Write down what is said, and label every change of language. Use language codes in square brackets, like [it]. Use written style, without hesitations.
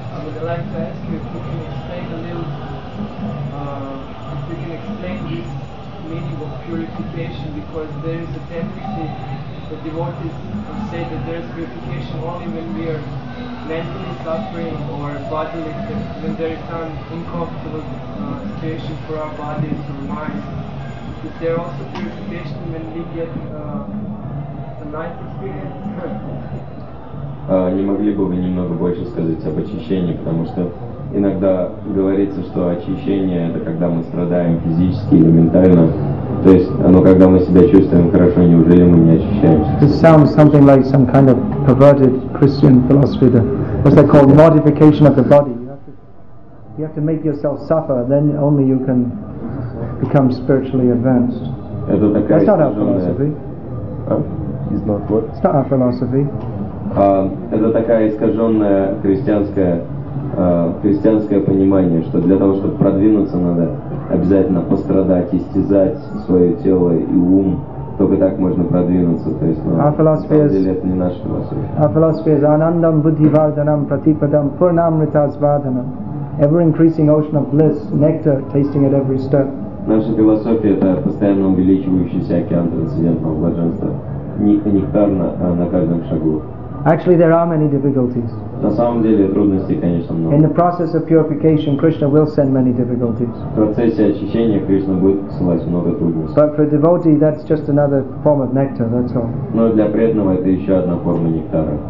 [en] I'd like to ask you if you can explain a little, if you can explain this meaning of purification, because there is a tendency that devotees would say that there is purification only when we are mentally suffering or bodily, when there is some uncomfortable situation for our bodies or minds. Is there also purification when we get a nice experience? [ru] Не могли бы вы немного больше сказать об очищении, потому что иногда говорится, что очищение это когда мы страдаем физически или ментально, то есть оно когда мы себя чувствуем хорошо, неужели мы не очищаемся? [en] This sounds something like some kind of perverted Christian philosophy. What's that called? Mortification of the body. You have to make yourself suffer, then only you can become spiritually advanced. That's not our philosophy. It's not our philosophy. [ru] Это такая искаженная христианское понимание, что для того, чтобы продвинуться, надо обязательно пострадать, истязать свое тело и ум. Только так можно продвинуться. То есть, на самом деле, это не наша философия. [en] Our philosophy is [sa] Anandam Buddhi Vardhanam Pratipadam Purnam Ritas Vardhanam. [en] Ever increasing ocean of bliss, nectar tasting at every step. [ru] Наша философия это постоянно увеличивающийся океан трансцендентного блаженства. Нектар на каждом шагу. [en] Actually, there are many difficulties. [ru] На самом деле трудностей, конечно, много. [en] In the process of purification, Krishna will send many difficulties. [ru] В процессе очищения Кришна будет посылать много трудностей. [en] But for a devotee, that's just another form of nectar. That's all. [ru] Но для преданного это еще одна форма нектара.